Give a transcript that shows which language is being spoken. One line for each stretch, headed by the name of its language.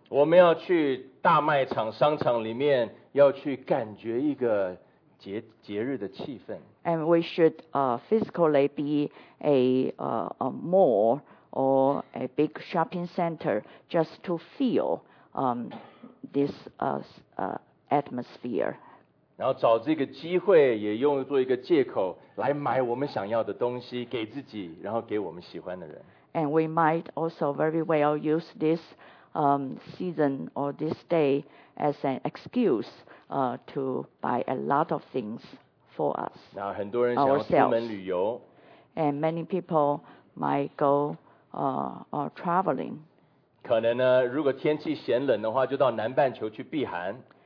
Chinese: 我们要去大卖场、商场里面。要去感觉一个 节日的气氛。
English: And we should physically be a mall or a big shopping center just to feel this atmosphere.
Chinese: 然后找这个机会也用作一个借口来买我们想要的东西给自己然后给我们喜欢的人。
English: And we might also very well use this season or this day as an excuse to buy a lot of things for us, ourselves. And many people might go traveling.
Chinese: 可能呢，如果天气嫌冷的话，就到南半球去避寒。